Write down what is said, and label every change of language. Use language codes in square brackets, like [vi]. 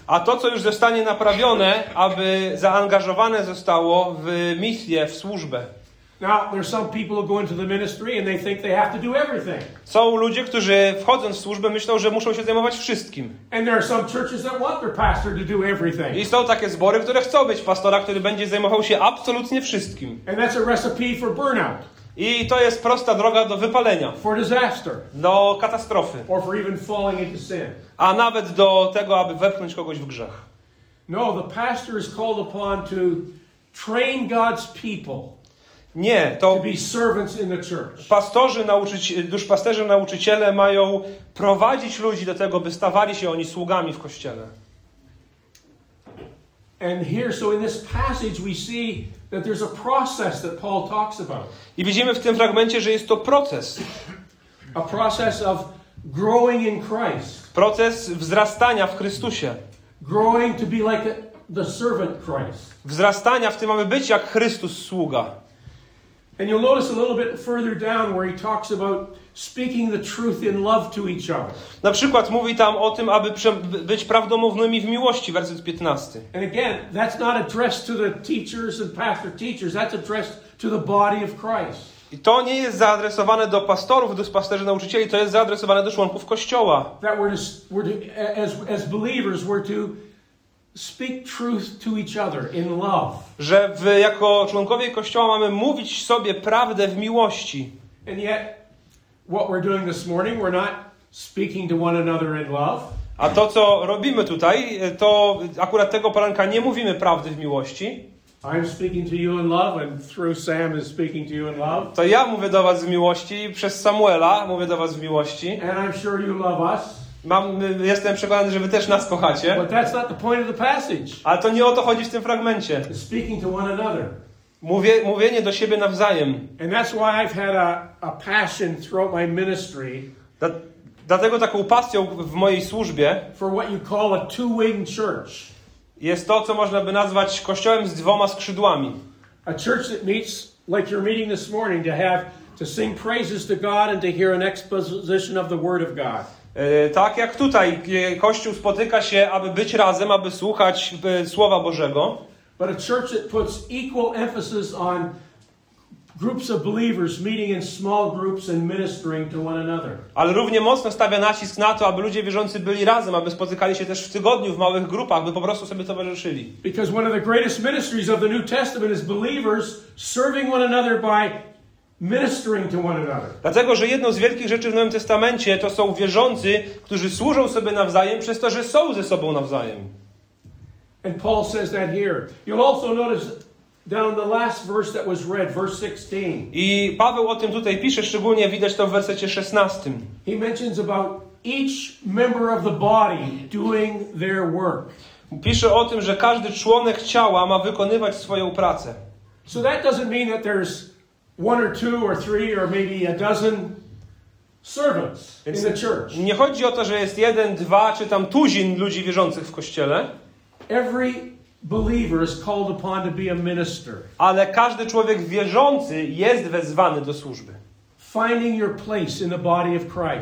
[pl] A to, co już zostanie naprawione, aby zaangażowane zostało w misję, w służbę. [en] Now there's some people who go into the ministry and they think they have to do everything. [pl] Są ludzie, którzy wchodząc w służbę myślą, że muszą się zajmować wszystkim. [en] And there are some churches that want their pastor to do everything. [pl] I są takie zbory, które chcą mieć pastora, który będzie zajmował się absolutnie wszystkim. [en] And that's a recipe for burnout. [pl] I to jest prosta droga do wypalenia. [en] For disaster. [pl] Do katastrofy. [en] Or for even falling into sin. [pl] A nawet do tego, aby wepchnąć kogoś w grzech. [en] No, the pastor is called upon to train God's people. [pl] Nie, to [en] to be servants in the church. [pl] Pastorzy, duszpasterze, nauczyciele mają prowadzić ludzi do tego, by stawali się oni sługami w kościele. [en] And here, so in this passage we see that there's a process that Paul talks about. [pl] I widzimy w tym fragmencie, że jest to proces. [en] A process of growing in Christ. [pl] Proces wzrastania w Chrystusie. [en] Growing to be like the servant Christ. [pl] Wzrastania w tym, aby być jak Chrystus sługa. [en] And you'll notice a little bit further down where he talks about speaking the truth in love to each other. [pl] Na przykład mówi tam o tym, aby być prawdomównymi w miłości, werset 15. [en] And again, that's not addressed to the teachers and pastor teachers. That's addressed to the body of Christ. [pl] I to nie jest zaadresowane do pastorów, do pasterzy, nauczycieli, to jest zaadresowane do członków kościoła. [en] That we're to, as believers, we're to speak truth to each other in love. [pl] Że jako członkowie kościoła mamy mówić sobie prawdę w miłości. [en] And yet, what we're doing this morning, we're not speaking to one another in love. [pl] A to, co robimy tutaj, to akurat tego poranka nie mówimy prawdy w miłości. [en] I'm speaking to you in love, and through Sam is speaking to you in love. [pl] To ja mówię do was w miłości, przez Samuela mówię do was w miłości. [en] And I'm sure you love us. [pl] Jestem przekonany, że wy też nas kochacie. [en] But that's not the point of the passage. [pl] Ale to nie o to chodzi w tym fragmencie. [en] Speaking to one another. [pl] Mówienie do siebie nawzajem. [en] And that's why I've had a passion throughout my ministry. [pl] Dlatego taką pasją w mojej służbie. [en] For what you call a two-wing church. [pl] Jest to, co można by nazwać kościołem z dwoma skrzydłami. [en] A church that meets like you're meeting this morning to have to sing praises to God and to hear an exposition of the Word of God. [pl] Tak jak tutaj kościół spotyka się, aby być razem, aby słuchać słowa Bożego. [en] But a church that puts equal emphasis on groups of believers meeting in small groups and ministering to one another. [pl] Ale równie mocno stawia nacisk na to, aby ludzie wierzący byli razem, aby spotykali się też w tygodniu w małych grupach, by po prostu sobie towarzyszyli. [en] Because one of the greatest ministries of the New Testament is believers serving one another by ministering to one another. [pl] Dlatego, że jedną z wielkich rzeczy w Nowym Testamencie to są wierzący, którzy służą sobie nawzajem przez to, że są ze sobą nawzajem. [en] And Paul says that here. You'll also notice down the last verse that was read, verse 16. [pl] I Paweł o tym tutaj pisze, szczególnie widać to w wersecie 16. [en] He mentions about each member of the body doing their work. [pl] Pisze o tym, że każdy członek ciała ma wykonywać swoją pracę. [en] So that doesn't mean that there's one or two or three or maybe a dozen servants in the church. [pl] Nie chodzi o to, że jest jeden, dwa czy tam tuzin ludzi wierzących w kościele. [en] Every believer is called upon to be a minister. [pl] Ale każdy człowiek wierzący jest wezwany do służby. [en] Finding your place in the body of Christ.